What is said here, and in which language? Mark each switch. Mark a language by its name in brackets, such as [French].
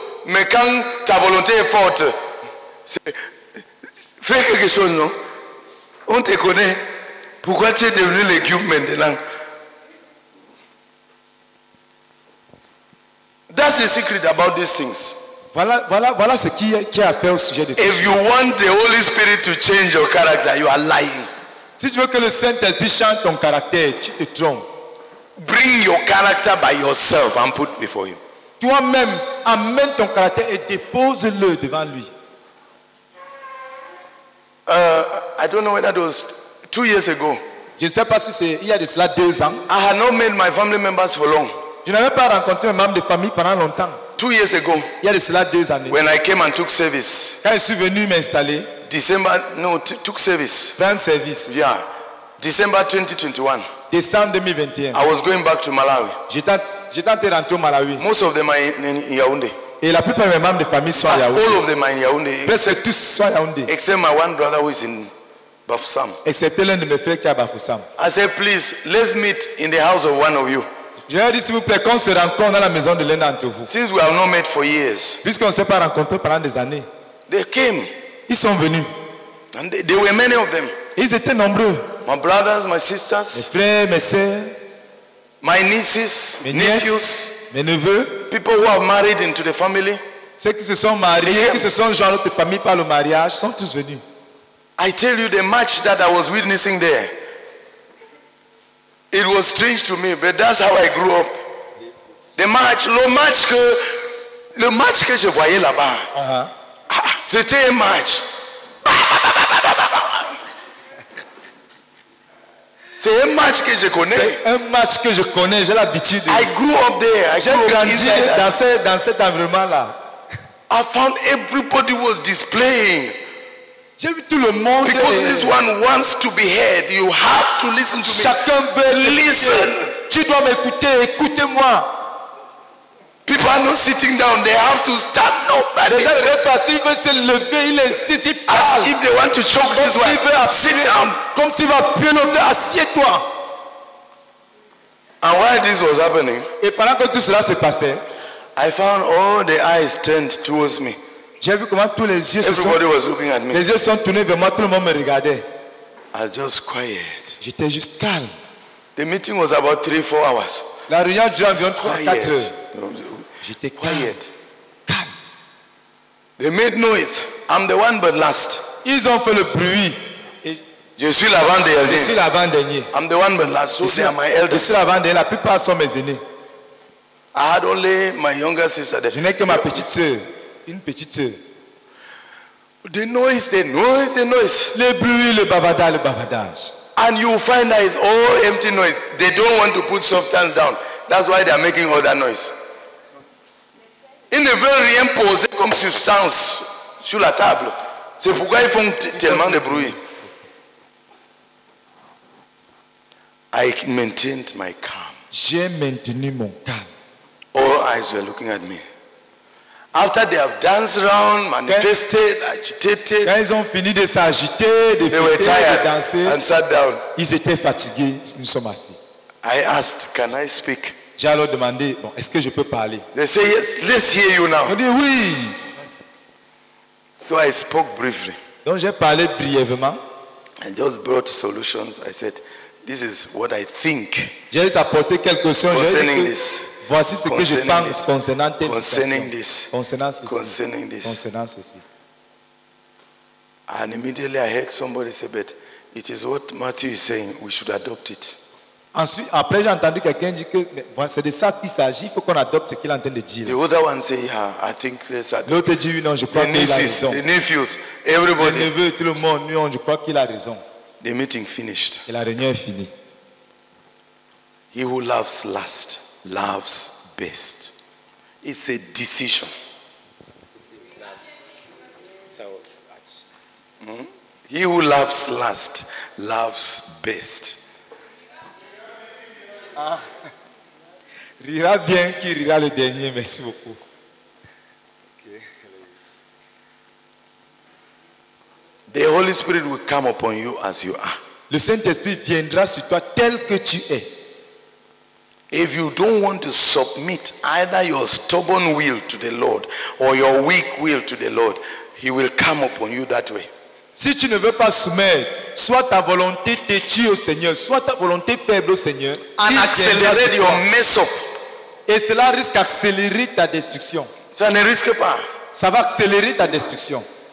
[French] Mais quand ta volonté est forte, fais quelque chose, non? On te connaît. Pourquoi tu es devenu légume maintenant? [English] That's the secret about these things. [French] Voilà ce qui a fait au sujet de ça. [English] If you want the Holy Spirit to change your character, you are lying. [French] Si tu veux que le Saint-Esprit change ton caractère, tu te trompes. [English] Bring your character by yourself and put before him. [French] Toi-même, amène ton caractère et dépose-le devant lui. [English] I don't know whether that was 2 years ago. [French] Je ne sais pas si c'est il y a de cela 2 ans. [English] I had not met my family members for long. [French] Je n'avais pas rencontré mes membres de famille pendant longtemps. [English] 2 years ago. [French] Il y a de cela 2 années. [English] When I came and took service. [French] Quand je suis venu m'installer. [English] December, no, took service. [French] Prendre service. [English] Yeah. December 2021. [French] Décembre 2021. [English] I was going back to Malawi. [French] J'étais rentré au Malawi. [English] Most of them are in Yaoundé. [French] Et la plupart des membres de famille sont à Yaoundé. [English] All of them are in Yaoundé. [French] Presque tous sont à Yaoundé. [English] Except my one brother who is in Bafoussam. [French] Excepté l'un de mes frères qui est à Bafoussam. [English] I said, please, let's meet in the house of one of you. [French] Je leur ai dit, s'il vous plaît, qu'on se rencontre dans la maison de l'un d'entre vous. [English] Since we have not met for years. [French] Puisqu'on ne s'est pas rencontré pendant des années. [English] They came. [French] Ils sont venus. [English] And there were many of them. [French] Ils étaient nombreux. [English] My brothers, my sisters. [French] Mes frères, mes sœurs. [English] My nieces, [French] mes nièces, [English] nephews. [French] Mes neveux. [English] People who have married into the family. [French] Ceux qui se sont mariés, qui se sont joints à notre famille par le mariage, sont tous venus. [English] I tell you the match that I was witnessing there. It was strange to me, but that's how I grew up. The match [French] que je voyais là-bas, c'était un match. C'est un match que je connais. C'est un match que je connais, j'ai l'habitude. [English] I grew up there. [French] J'ai grandi dans cet environnement-là. [English] I found everybody was displaying. [French] J'ai vu tout le monde. [English] Because this one wants to be heard, you have to listen to me. [French] Chacun veut [English] listen. [French] Tu dois m'écouter. Écoutez-moi. [English] People are not sitting down. They have to stand up. [French] Les gens restent assis. Ils veulent se lever. Ils insistent. Ils parlent. [English] As if they want to choke this one. [French] Comme s'ils veulent appuyer l'autre. Assieds-toi. [English] And while this was happening, [French] et pendant que tout cela se passait, [English] I found all the eyes turned towards me. [French] J'ai vu comment tous les yeux les yeux sont tournés vers moi, tout le monde me regardait. [English] I just quiet. [French] J'étais juste calme. [English] The meeting was about 3-4 hours. [French] La réunion durait environ 3-4 heures. J'étais [English] quiet. [French] Calme. [English] They made noise. I'm the one but last. [French] Ils ont fait le bruit. Je suis l'avant-dernier. Je suis l'avant-dernier. [English] I'm the one but last. So they are my elders. [French] Je suis l'avant-dernier. La plupart sont mes aînés. [English] I had only my younger sister there. [French] Je n'ai que ma petite sœur. Une petite. [English] The noise. [French] Le bruit, le bavardage. [English] And you find that it's all empty noise. They don't want to put substance down. That's why they are making all that noise. [French] Ils ne veulent rien poser comme substance sur la table. C'est pourquoi ils font tellement de bruit. [English] I maintained my calm. [French] J'ai maintenu mon calme. [English] All eyes were looking at me. After they have danced around, manifested, agitated, [French] quand ils ont fini de s'agiter, de fêter, [English] they were tired [French] de danser, [English] and sat down. [French] Ils étaient fatigués. Nous sommes assis. [English] I asked, "Can I speak?" [French] J'ai alors demandé, bon, est-ce que je peux parler? [English] They say yes. Let's hear you now. [French] Ils dit oui. [English] So I spoke briefly. [French] Donc j'ai parlé brièvement. [English] I just brought solutions. I said, "This is what I think." [French] J'ai juste apporté quelques solutions. [English] Concerning this. [French] Voici ce que je pense concernant [English] this. [French] Concernant ceci. [English] And immediately I heard somebody say, but it is what Matthew is saying, we should adopt it. [French] Ensuite, après, j'ai entendu quelqu'un dire que c'est de ça qu'il s'agit, il faut qu'on adopte ce qu'il est en train de dire. [English] The other one say, yeah, I think this. [French] L'autre dit, oui, non, je crois qu'il a raison. [English] The nephews, everybody. [French] Les neveux, tout le monde, non, je crois qu'il a raison. [English] The meeting finished. [French] Et la réunion est finie. [English] He who loves last loves best. It's a decision. He who loves last loves best. [French] Rira bien qui rira le dernier, merci beaucoup. [English] The Holy Spirit will come upon you as you are. [French] Le Saint-Esprit viendra sur toi tel que tu es. [English] If you don't want to submit either your stubborn will to the Lord or your weak will to the Lord, he will come upon you that way. [French] Si tu ne veux pas soumettre soit ta volonté têtue au Seigneur, soit ta volonté faible au Seigneur, [English] and accelerate your mess up. [French] Et cela risque d'accélérer ta destruction. Ça ne risque pas. Ça va accélérer ta destruction.